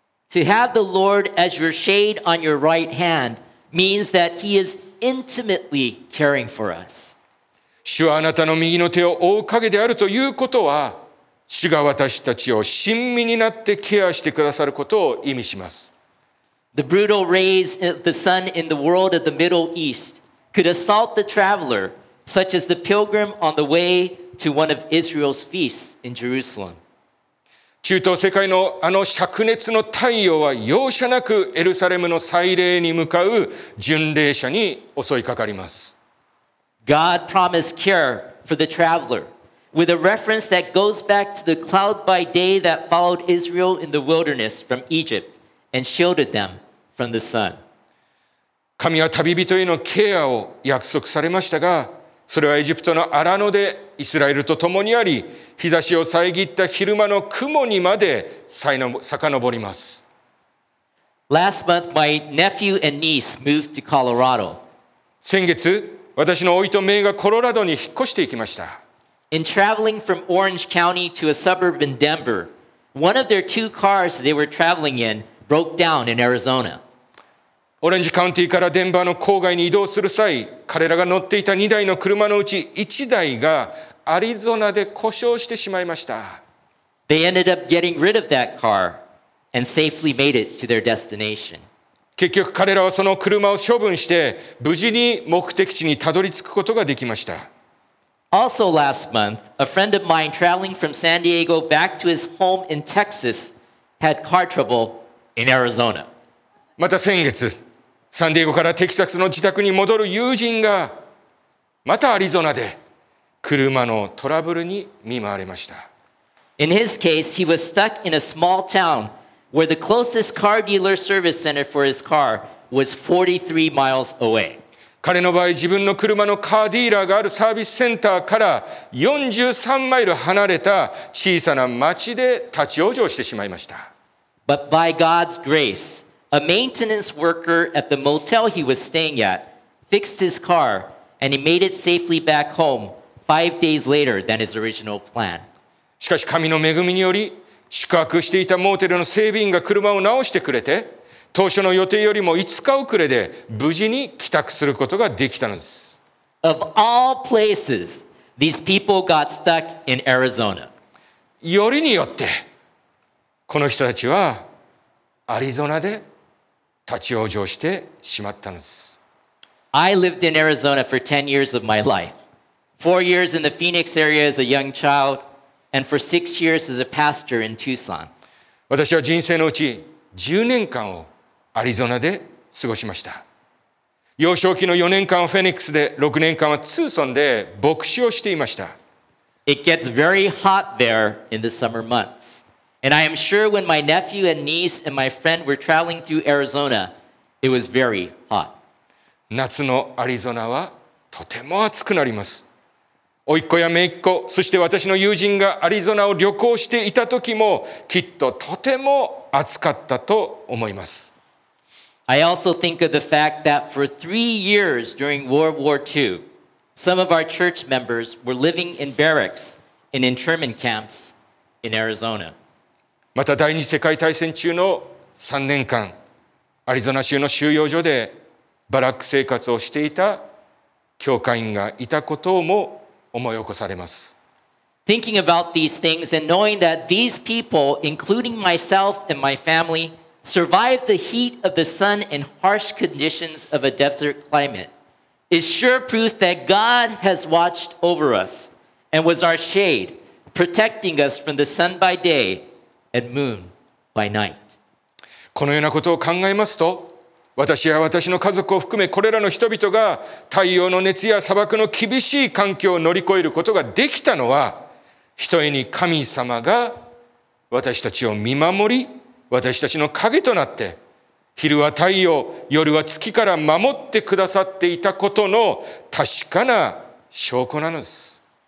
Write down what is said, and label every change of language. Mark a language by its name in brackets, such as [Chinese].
[English] To have the Lord as your shade on your right hand means that he is intimately caring for us. [Japanese] 主はあなたの右の手を覆う影であるということは、主が私たちを親身になってケアしてくださることを意味します。 [English] The brutal rays of the sun in the world of the Middle East could assault the traveler, such as the pilgrim on the way to one of Israel's feasts in Jerusalem. [Japanese] 中東世界のあの灼熱の太陽は容赦なくエルサレムの祭礼に向かう巡礼者に襲いかかります。 [English] God promised care for the traveler, with a reference that goes back to the cloud by day that followed Israel in the wilderness from Egypt and shielded them from the sun. [Japanese] 神は旅人へのケアを約束されましたが、それはエジプトの荒野でイスラエルと共にあり、日差しを遮った昼間の雲にまで遡ります。 [English] Last month, my nephew and niece moved to Colorado. [Japanese] 先月、私の甥と姪がコロラドに引っ越していきました。 [English] In traveling from Orange County to a suburb in Denver, one of their two cars they were traveling in broke down in Arizona. [Japanese] オレンジカウンティーからデンバーの郊外に移動する際、彼らが乗っていた2台の車のうち1台がアリゾナで故障してしまいました。 [English] They ended up getting rid of that car and safely made it to their destination. [Japanese] 結局彼らはその車を処分して無事に目的地にたどり着くことができました。 [English] Also last month, a friend of mine traveling from San Diego back to his home in Texas had car trouble in Arizona. [Japanese] また先月、サンディエゴからテキサスの自宅に戻る友人が、またアリゾナで車のトラブルに見舞われました。 [English] In his case, he was stuck in a small town where the closest car dealer service center for his car was 43 miles away. [Japanese] 彼の場合、自分の車のカーディーラーがあるサービスセンターから43マイル離れた小さな町で立ち往生してしまいました。 [English] But by God's grace,A maintenance worker at the motel he was staying at fixed his car and he made it safely back home 5 days later than his original plan. [Japanese] しかし神の恵みにより宿泊していたモーテルの整備員が車を直してくれて当初の予定よりも5日遅れで無事に帰宅することができたのです。 [English] Of all places, these people got stuck in Arizona. [Japanese] よりによってこの人たちはアリゾナで立ち往生してしまったんです。 [English] I lived in Arizona for 10 years of my life. 4 years in the Phoenix area as a young child, and for 6 years as a pastor in Tucson. [Japanese] 私は人生のうち10年間をアリゾナで過ごしました。幼少期の4年間はフェニックスで、6年間はツーソンで牧師をしていました。 [English] It gets very hot there in the summer months. And I am sure when my nephew and niece and my friend were traveling through Arizona, it was very hot. [Japanese] 夏のアリゾナはとても暑くなります。おいっ子やめいっ子、そして私の友人がアリゾナを旅行していた時も、きっととても暑かったと思います。 [English] I also think of the fact that for 3 years during World War II, some of our church members were living in barracks and internment camps in Arizona. [Japanese] また第二次世界大戦中の3年間、アリゾナ州の収容所でバラック生活をしていた教会員がいたことをも思い起こされます。 [English] Thinking about these things and knowing that these people, including myself and my family, survived the heat of the sun and harsh conditions of a desert climate, is sure proof that God has watched over us and was our shade, protecting us from the sun by day and moon by night. [Japanese] このようなことを考えますと、私や私の家族を含めこれらの人々が太陽の熱や砂漠の厳しい環境を乗り越えることができたのは、ひとえに神様が私たちを見守り、私たちの影となって昼は太陽、夜は月から守ってくださっていたことの確かな証拠なのです。